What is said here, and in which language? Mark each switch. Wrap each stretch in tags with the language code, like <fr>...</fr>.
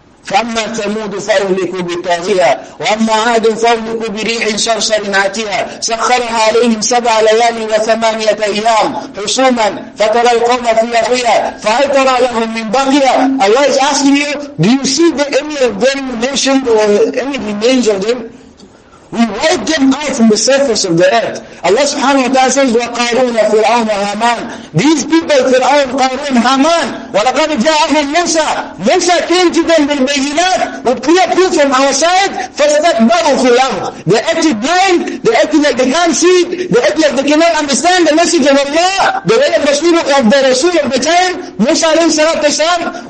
<ar>فَأَمَّا ثَمُودُ فَأُهْلِكُوا بِالطَّاغِيَةِ وَأَمَّا عَادٌ فَأُهْلِكُوا بِرِيحٍ صَرْصَرٍ عَاتِيَةٍ سَخَّرَهَا عَلَيْهِمْ سَبْعَ لَيَالٍ وَثَمَانِيَةَ أَيَّامٍ حُصُومًا فَتَرَى الْقَوْمَ فِيهَا صَرْعَى فَهَلْ تَرَى لَهُم مِّن بَاقِيَةٍ.</ar> <en>Allah is asking you, do you see the any of them mentioned or any remains of them? We wipe them out from the surface of the earth. Allah subhanahu wa ta'ala says, وَقَارُونَ فِرْعَوْنَ هَامَانَ. These people, فِرْعَوْنَ قَارُونَ هَامَانَ.</en> <ar>وَلَقَدْ جَاءَهُمْ مُوسَى.</ar> <en>Musa came to them with bayyinat, with clear proof from our side,</en> <ar>فَاسْتَكْبَرُوا فِي الْأَرْضِ.</ar> <en>They acted blind, they acted like they can't see, they acted like they cannot understand the message of Allah, the way of Rasulullah of the Rasul of the time, Musa alayhi salatu wasalam.</en>